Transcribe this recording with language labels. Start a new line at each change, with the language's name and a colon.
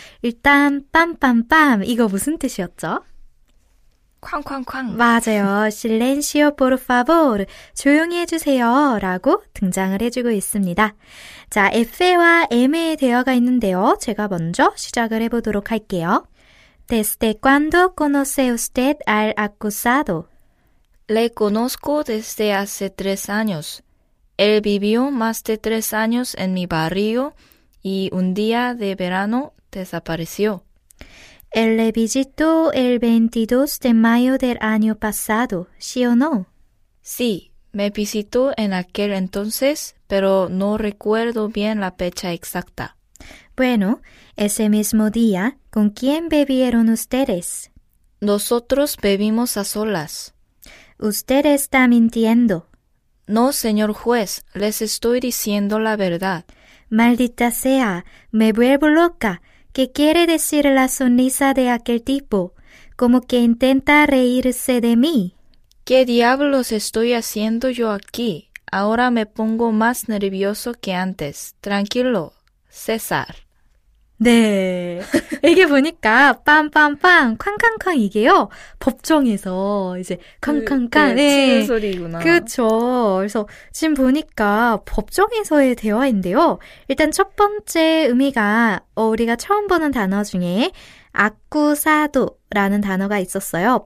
Korean: 일단 빰빰빰 이거 무슨 뜻이었죠? 쾅쾅쾅. 맞아요.
Spanish: Silencio, por favor.
Korean: 조용히 해주세요. 라고 등장을 해주고 있습니다. 자, F에와 M에 대화가 있는데요. 제가 먼저 시작을 해보도록 할게요.
Spanish: Desde cuándo conoce usted al acusado? Le conozco desde hace 3 años. Él vivió más de 3 años en mi barrio y un día de verano desapareció. Él le visitó el 22 de mayo del año pasado, ¿sí o no? Sí, me visitó en aquel entonces, pero no recuerdo bien la fecha exacta. Bueno, ese mismo día, ¿con quién bebieron ustedes? Nosotros bebimos a solas. Usted está mintiendo. No, señor juez, les estoy diciendo la verdad. Maldita sea, me vuelvo loca. ¿Qué quiere decir la sonrisa de aquel tipo? Como que intenta reírse de mí. ¿Qué diablos estoy haciendo yo aquí? Ahora me pongo más nervioso que antes. Tranquilo, César.
Korean: 네. 이게 보니까, 빰빰빰, 쾅쾅쾅 이게요. 법정에서 이제, 쾅쾅쾅, 네, 치는 네. 소리구나. 그쵸. 그래서 지금 보니까 법정에서의 대화인데요. 일단 첫 번째 의미가, 우리가 처음 보는 단어 중에, 아쿠사도라는 단어가 있었어요.